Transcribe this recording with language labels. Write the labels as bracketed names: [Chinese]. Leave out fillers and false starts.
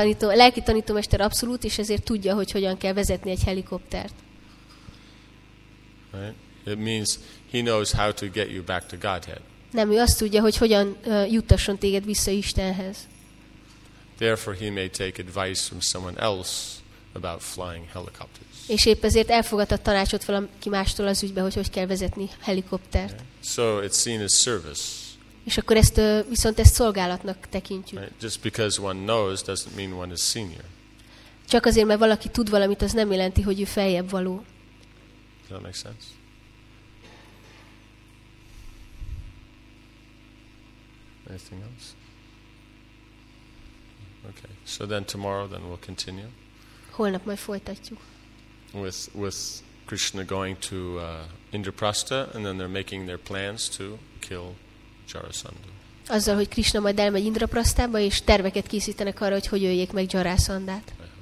[Hungarian] A lelki tanítómester abszolút, és ezért tudja, hogy hogyan kell vezetni egy helikoptert. [English] Right? It means he knows how to get you back to Godhead. [Hungarian] Nem, ő azt tudja, hogy hogyan juttasson téged vissza Istenhez. [English] Therefore he may take advice from someone else about flying helicopters. [Hungarian] És épp ezért elfogadta tanácsot valaki mástól az ügyben, hogy kell vezetni helikoptert. [English] Yeah. So it's seen as service. [Hungarian] És akkor ezt viszont ezt szolgálatnak tekintjük. [English] Right. Just because one knows doesn't mean one is senior. [Hungarian] Csak azért, mert valaki tud valamit, az nem jelenti, hogy ő feljebb való. [English] Does that make sense? Anything else? Okay. So then tomorrow then we'll continue. [Hungarian] Holnap majd folytatjuk. [English] With Krishna going to Indraprastha, and then they're making their plans to kill Jarasandha. [Hungarian] Azzal, hogy Krishna majd elmegy Indraprasztába, és terveket készítenek arra, hogy öljék meg Jarasandhát.